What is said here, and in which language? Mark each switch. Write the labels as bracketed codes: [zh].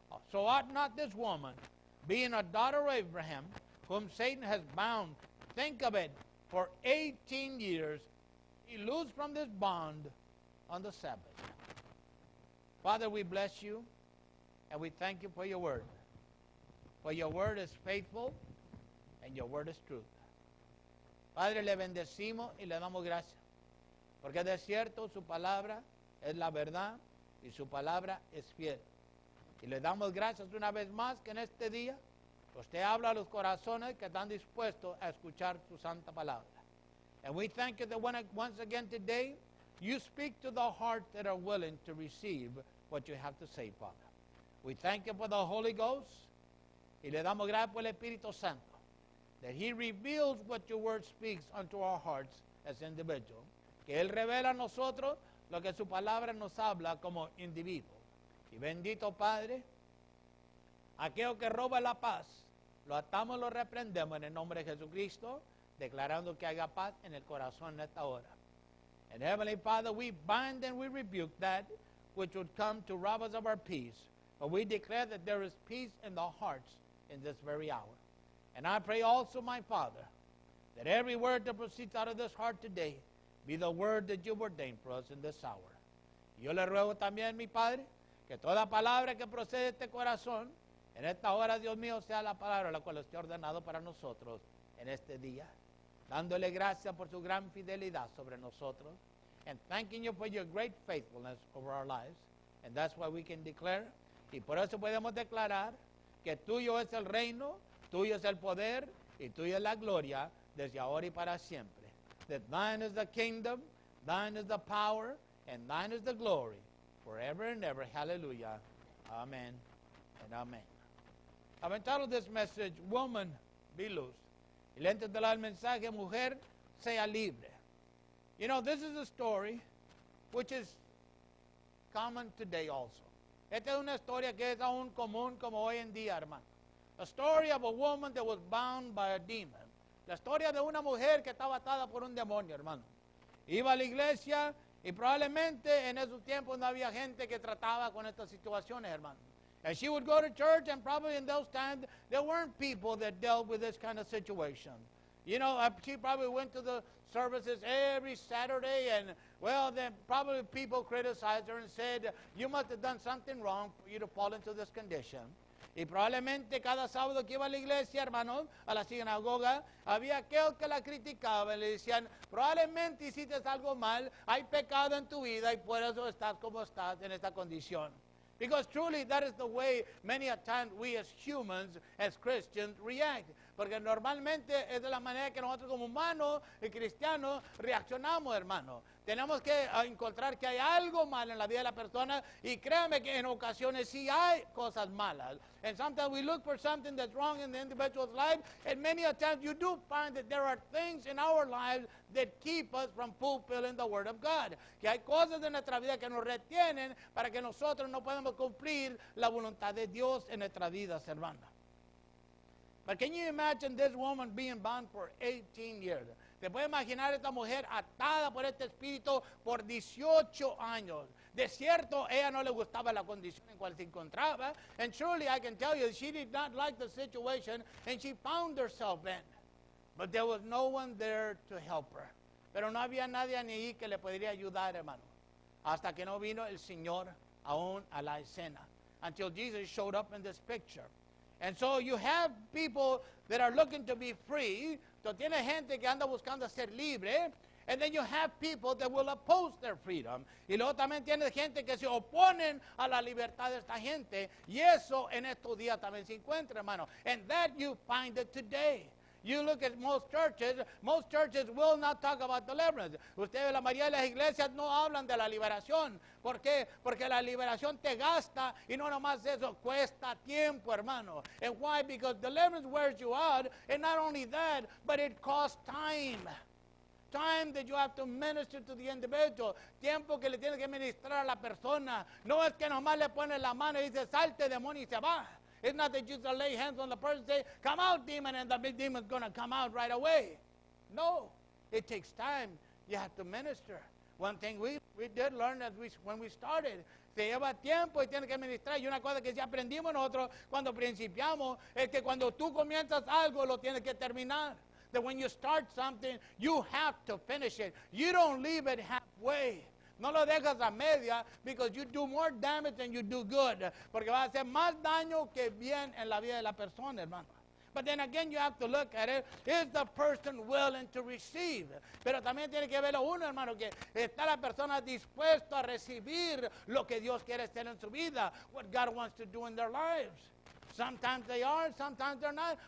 [en] So ought not this woman, being a daughter of Abraham, whom Satan has bound, think of it, for 18 years, he loosed from this bond on the Sabbath. Father, we bless you and we thank you for your word. For your word is faithful and your word is truth. [es] Padre, le bendecimos y le damos gracias, porque de cierto su palabra es la verdad y su palabra es fiel. Y le damos gracias una vez más que en este día usted habla a los corazones que están dispuestos a escuchar su santa palabra. [en] And we thank you that once again today, you speak to the hearts that are willing to receive what you have to say, Father. We thank you for the Holy Ghost [es] y le damos gracias por el Espíritu Santo. [en] That he reveals what your word speaks unto our hearts as individuals. [es] Que él revela a nosotros lo que su palabra nos habla como individuo. Y bendito Padre, aquello que roba la paz, lo atamos y lo reprendemos en el nombre de Jesucristo, declarando que haya paz en el corazón en esta hora. [en] And Heavenly Father, we bind and we rebuke that which would come to rob us of our peace. But we declare that there is peace in the hearts in this very hour. And I pray also, my Father, that every word that proceeds out of this heart today be the word that you've ordained for us in this hour. [es] Yo le ruego también, mi Padre, que toda palabra que procede de este corazón, en esta hora, Dios mío, sea la palabra la cual esté ordenado para nosotros en este día, dándole gracias por su gran fidelidad sobre nosotros, [en] and thanking you for your great faithfulness over our lives. And that's why we can declare, [es] y por eso podemos declarar, que tuyo es el reino, tuyo es el poder y tuyo es la gloria desde ahora y para siempre. [en] That thine is the kingdom, thine is the power, and thine is the glory forever and ever. Hallelujah. Amen and amen. I've entitled this message, Woman, Be Loose. [es] Y le he entitulado el mensaje, Mujer, Sea Libre. [en] You know, this is a story which is common today also. [es] Esta es una historia que es aún común como hoy en día, hermano. [en] A story of a woman that was bound by a demon. [es] La historia de una mujer que estaba atada por un demonio, hermano. Iba a la iglesia Y probablemente en esos tiempos no había gente que trataba con estas situaciones, hermano. [en] And she would go to church, and probably in those times, there weren't people that dealt with this kind of situation. You know, she probably went to the services every Saturday, and well, then probably people criticized her and said, you must have done something wrong for you to fall into this condition. [es] Y probablemente cada sábado que iba a la iglesia, hermano, a la sinagoga, había aquel que la criticaba y le decían, probablemente hiciste algo mal, hay pecado en tu vida y por eso estás como estás en esta condición. [en] Because truly that is the way many a time we as humans, as Christians, react. [es] Porque normalmente es de la manera que nosotros como humanos y cristianos reaccionamos, hermano. Tenemos que encontrar que hay algo mal en la vida de la persona y créanme que en ocasiones sí hay cosas malas. [en] And sometimes we look for something that's wrong in the individual's life and many a time you do find that there are things in our lives that keep us from fulfilling the word of God. [es] Que hay cosas en nuestra vida que nos retienen para que nosotros no podamos cumplir la voluntad de Dios en nuestra vida, hermana. [en] But can you imagine this woman being bound for 18 years? [es] ¿Te puedes imaginar esta mujer atada por este espíritu por 18 años? De cierto, ella no le gustaba la condición en cual se encontraba. [en] And truly, I can tell you, she did not like the situation and she found herself in. But there was no one there to help her. [es] Pero no había nadie ahí que le podría ayudar, hermano. Hasta que no vino el Señor aún a la escena. [en] Until Jesus showed up in this picture. And so you have people that are looking to be free. [es] So tiene gente que anda buscando ser libre. [en] And then you have people that will oppose their freedom. [es] Y luego también tiene gente que se oponen a la libertad de esta gente. Y eso en estos días también se encuentra, hermano. [en] And that you find it today. You look at most churches will not talk about deliverance. [es] Ustedes, la mayoría de las iglesias no hablan de la liberación. ¿Por qué? Porque la liberación te gasta y no nomás eso, cuesta tiempo, hermano. [en] And why? Because deliverance wears you out, and not only that, but it costs time. Time that you have to minister to the individual. [es] Tiempo que le tienes que ministrar a la persona. No es que nomás le pones la mano y dice, salte demonio y se va. [en] It's not that you just lay hands on the person and say, come out, demon, and the big demon's going to come out right away. No, it takes time. You have to minister. One thing we did learn that when we started, [es] se lleva tiempo y tiene que ministrar. Y una cosa que sí aprendimos nosotros cuando principiamos es que cuando tú comienzas algo, lo tienes que terminar. [en] That when you start something, you have to finish it. You don't leave it halfway. [es] No lo dejas a media, [en] because you do more damage than you do good. [es] Porque va a hacer más daño que bien en la vida de la persona, hermano. [en] But then again, you have to look at it. Is the person willing to receive? [es] Pero también tiene que verlo uno, hermano, que está la persona dispuesta a recibir lo que Dios quiere hacer en su vida, [en] what God wants to do in their lives. Sometimes they are, sometimes they're not.